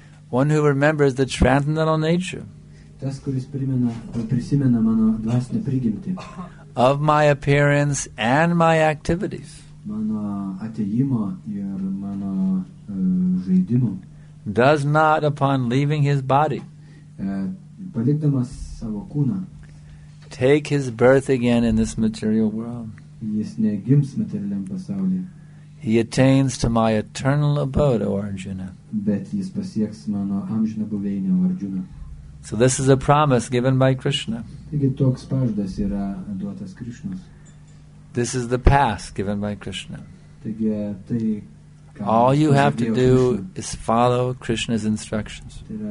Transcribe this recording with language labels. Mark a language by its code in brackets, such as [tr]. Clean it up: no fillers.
[en] One who remembers the transcendental nature of my appearance and my activities, [lt] mano atėjimo ir mano žaidimo, [en] does not, upon leaving his body, [lt] palikdamas savo kūną, [en] take his birth again in this material world. [lt] Jis negims materialiam pasaulyje. [en] He attains to my eternal abode, O Arjuna. [lt] Bet jis pasieks mano amžiną buveinę, O Arjuna. [en] So this is a promise given by Krishna. [lt] Taigi toks pažadas yra duotas Krishnos. [en] This is the pass given by Krishna. [lt] Taigi tai, [en] all you have to do is follow Krishna's instructions.